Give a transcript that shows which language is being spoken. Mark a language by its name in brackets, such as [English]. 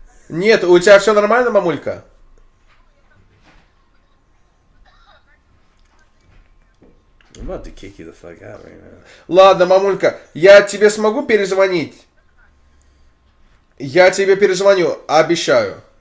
[Russian] Нет, у тебя все нормально, мамулька? [English] I'm about to kick you the fuck out right now. [Russian] Ладно, мамулька, я тебе смогу перезвонить? Я тебе перезвоню, обещаю.